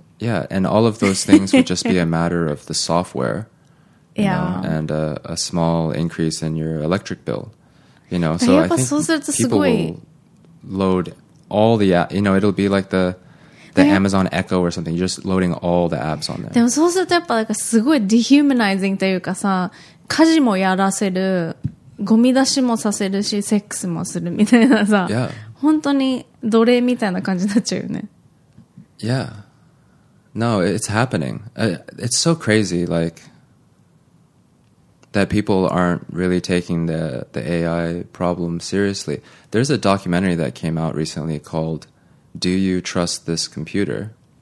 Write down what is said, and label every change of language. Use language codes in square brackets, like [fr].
[en] And all of those things would just be a matter of the software. You know, and a small increase in your electric bill. You know, so I think people will load all the apps. You know, it'll be like the Amazon Echo or something. You're just loading all the apps on there. [ja] でもそうするとやっぱなんかすごい dehumanizing というかさ、家事もやらせる、ゴミ出しもさせるし、セックスもするみたいなさ、本当に奴隷みたいな感じになっちゃうよね。 [en] Yeah. No, it's happening. It's so crazy, like, that people aren't really taking the AI problem seriously. There's a documentary that came out recently called Do You Trust This Computer?